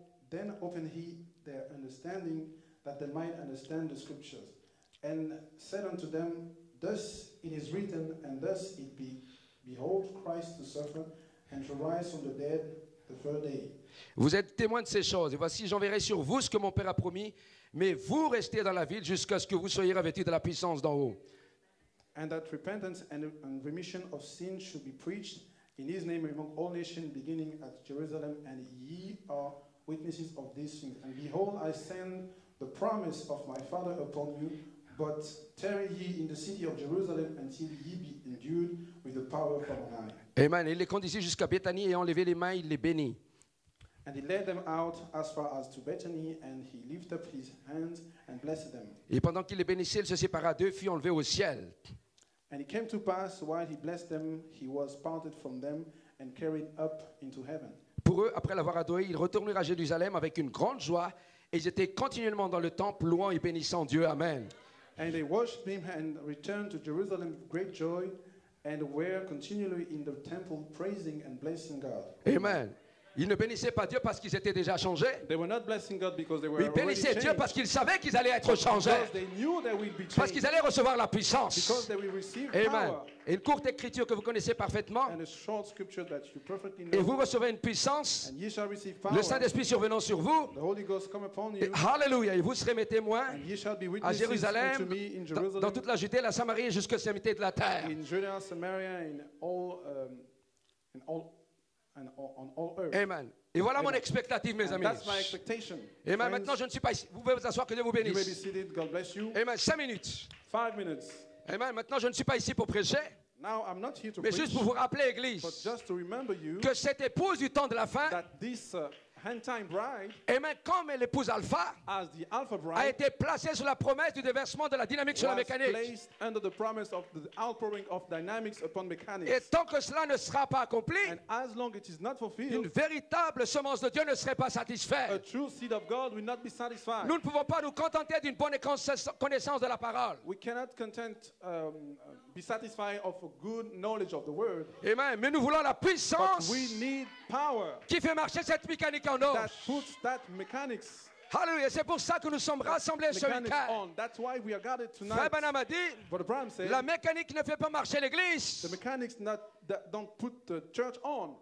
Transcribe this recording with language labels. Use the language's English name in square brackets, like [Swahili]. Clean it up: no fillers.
[English] Then opened he their understanding that they might understand the scriptures, and said unto them, Thus it is written, and thus it be, Behold Christ to suffer, and to rise from the dead the third day. [French] Vous êtes témoins de ces choses, et voici j'enverrai sur vous ce que mon Père a promis, mais vous restez dans la ville jusqu'à ce que vous soyez revêtus de la puissance d'en haut. [English] And that repentance and remission of sins should be preached in his name among all nations, beginning at Jerusalem, and ye are witnesses of these things. And behold, I send the promise of my Father upon you, but tarry ye in the city of Jerusalem until ye be endued with the power from on high. Amen. [French] Il les conduisit jusqu'à Béthanie et enlevé les mains, il les bénit. [English] And he led them out as far as to Bethany, and he lifted up his hands and blessed them. [French] Et pendant qu'il les bénissait, il se sépara d'eux, fut enlevé au ciel. [English] And it came to pass, while he blessed them, he was parted from them and carried up into heaven. [French] Pour eux, après l'avoir adoré, ils retournèrent à Jérusalem avec une grande joie et ils étaient continuellement dans le temple, louant et bénissant Dieu. Amen. [English] And they worshipped him and returned to Jerusalem with great joy and were continually in the temple praising and blessing God. Amen. [French] Ils ne bénissaient pas Dieu parce qu'ils étaient déjà changés. [English] They were not blessing God because they were [French] ils bénissaient Dieu parce qu'ils savaient qu'ils allaient être changés. [English] Because they knew they would be changed. [French] Parce qu'ils allaient recevoir la puissance. [English] Because they will receive Amen. Power. [French] Et une courte écriture que vous connaissez parfaitement. [English] And a short scripture that you perfectly know. [French] Et vous recevez une puissance. [English] And you shall receive power. [French] Le Saint-Esprit survenant sur vous. [English] The Holy Ghost come upon you. [French] Et hallelujah. Et vous serez mes témoins. [English] And you shall be witnesses [French] à Jérusalem, [English] to me in Jerusalem, [French] dans toute la Judée, la Samarie, jusqu'aux extrémités de la terre. [English] In Judea, Samaria, in all, in all, and on all earth. [French] Amen. Et voilà Amen. Mon expectative, mes [English] and [French] amis. [English] That's my expectation. [French] Amen. Friends, maintenant, je ne suis pas ici. Vous pouvez vous asseoir, que Dieu vous bénisse. [English] You may be seated. God bless you. Amen. 5 minutes. 5 minutes. Amen. [French] Maintenant, je ne suis pas ici pour prêcher. [English] Now, I'm not here to [French] mais [English] preach, [French] juste pour vous rappeler, Église, [English] but just to remember you, [French] que cette épouse du temps de la fin, [English] that this, hand-time bride, [French] Amen. Comme l'épouse Alpha, [English] as the Alpha bride, [French] a été placée sous la promesse du déversement de la dynamique sur la mécanique. [English] Placed under the promise of the outpouring of dynamics upon mechanics. [French] Et tant que cela ne sera pas accompli, [English] and as long it is not fulfilled, [French] une véritable semence de Dieu ne serait pas satisfaite. [English] A true seed of God will not be satisfied. [French] Nous ne pouvons pas nous contenter d'une bonne connaissance de la parole. [English] We cannot content, be satisfied of a good knowledge of the word. [French] Amen. Mais nous voulons la puissance [English] we need power [French] qui fait marcher cette mécanique en [English] or. That puts that mechanics. Hallelujah. [French] C'est pour ça que nous sommes rassemblés ce week-end. [English] That's why we are gathered tonight. [French] Frère Branham a dit, [English] said, [French] la mécanique ne fait pas marcher l'église. [English] The mechanics not, that don't put the church on.